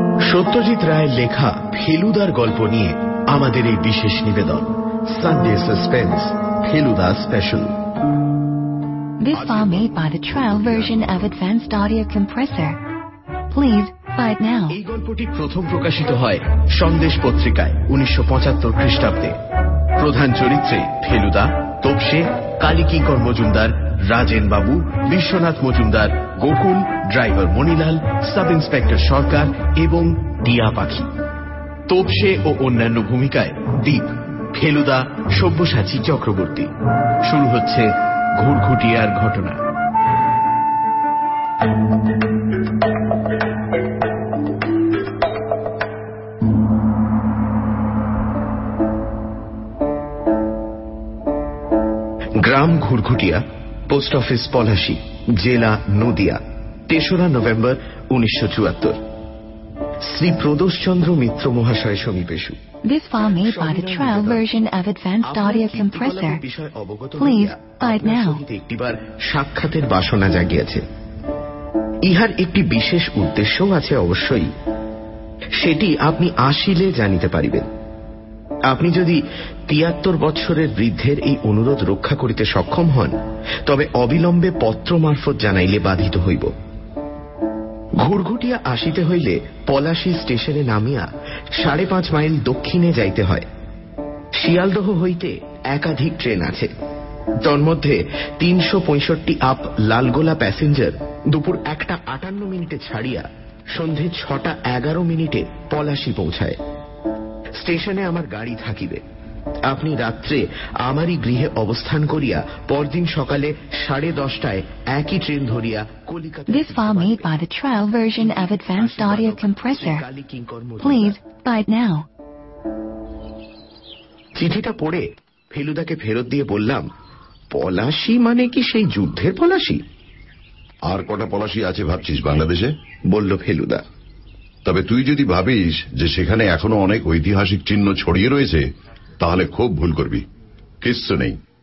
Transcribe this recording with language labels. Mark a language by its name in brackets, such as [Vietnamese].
[Bangla] সত্যজিৎ রায়ের লেখা ফেলুদার গল্প নিয়ে আমাদের এই বিশেষ নিবেদন, Sunday suspense Feluda special. [English] This file made by the trial version of Advanced Audio Compressor. Please buy it now. [Bangla] এই গল্পটি প্রথম প্রকাশিত হয় সন্দেশ পত্রিকায় 1975 খ্রিস্টাব্দে। প্রধান চরিত্রে ফেলুদা, তোপসে, কালিকিঙ্কর মজুমদার, রাজেন বাবু, Biswanath Majumdar, Gokul, driver Manilal, sub inspector সরকার এবং টিয়া পাখি। তোপসে ও অন্যান্য ভূমিকায় দীপ, ফেলুদা, সব্যসাচী চক্রবর্তী। শুরু হচ্ছে ঘুরঘুটিয়ার ঘটনা। গ্রাম ঘুরঘুটিয়া, পোস্ট অফিস পলাশী, জেলা নদিয়া, 3 নভেম্বর 1974। শ্রী প্রদোষ চন্দ্র মিত্র মহাশয় সমীপেশু। [English] This file made by the trial version of Advanced Audio Compressor. Please buy it now. [Bangla] একবার সাক্ষাতের বাসনা জাগিয়েছে। ইহার একটি বিশেষ উদ্দেশ্য আছে অবশ্যই, সেটি আপনি আসিলে জানিতে পারিবেন। আপনি যদি 73 বছরের বৃদ্ধের এই অনুরোধ রক্ষা করিতে সক্ষম হন, তবে অবিলম্বে পত্র মারফত জানাইলে বাধিত হইব। ঘুরঘুটিয়া আসিতে হইলে পলাশি স্টেশনে নামিয়া 5.5 মাইল দক্ষিণে যাইতে হয়। শিয়ালদহ হইতে একাধিক ট্রেন আছে, তন্মধ্যে 365 আপ লালগোলা প্যাসেঞ্জার 1:58 ছাড়িয়া 6:11 পলাশি পৌঁছায়। স্টেশনে আমার গাড়ি থাকিবে। আপনি রাত্রে আমারই গৃহে অবস্থান করিয়া পরদিন সকালে 10:30 একই ট্রেন ধরিয়া Calcutta. [English] This file made by the trial version of Advanced Audio Compressor. Please buy it now. [Bangla] চিঠিটা পড়ে ফেলুদাকে ফেরত দিয়ে বললাম, পলাশি মানে কি সেই যুদ্ধের পলাশি? আর কটা পলাশি আছে ভাবছিস বাংলাদেশে? বলল ফেলুদা। তবে তুই যদি ভাবিস যে সেখানে এখনো অনেক ঐতিহাসিক চিহ্ন ছড়িয়ে রয়েছে, তাহলে খুব ভুল করবি। কিচ্ছু নেই।